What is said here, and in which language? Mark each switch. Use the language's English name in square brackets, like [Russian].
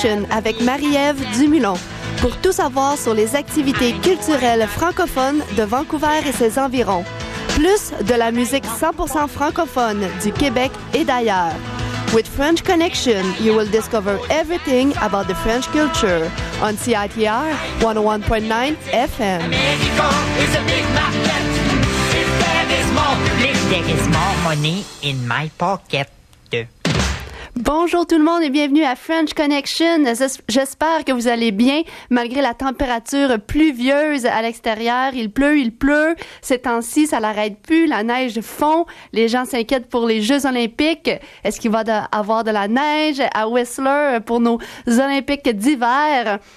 [French] Avec Marie-Ève Dumoulin pour tout savoir sur les activités culturelles francophones de Vancouver et ses environs, plus de la musique 100% francophone du Québec et d'ailleurs. [English] With French Connection, you will discover everything about the French culture on CITR 101.9 FM. [French] Bonjour tout le monde et bienvenue à French Connection. J'espère que vous allez bien malgré la température pluvieuse à l'extérieur. Il pleut. Ces temps-ci, ça n'arrête plus. La neige fond. Les gens s'inquiètent pour les Jeux olympiques. Est-ce qu'il va avoir de la neige à Whistler pour nos Olympiques d'hiver?